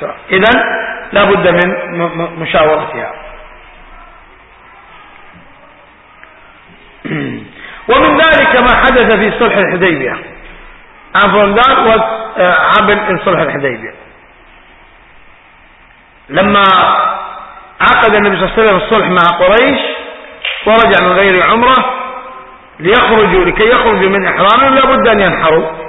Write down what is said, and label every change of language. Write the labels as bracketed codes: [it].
[ar] So, إذن لابد من مشاورتها. ومن ذلك ما حدث في صلح الحديبية. [en] And from that was happened in صلح الحديبية. [ar] لما عقد النبي صلى الله عليه وسلم الصلح مع قريش ورجع من غير عمرة ليخرجوا, لكي يخرجوا من إحرامهم لابد أن ينحروا.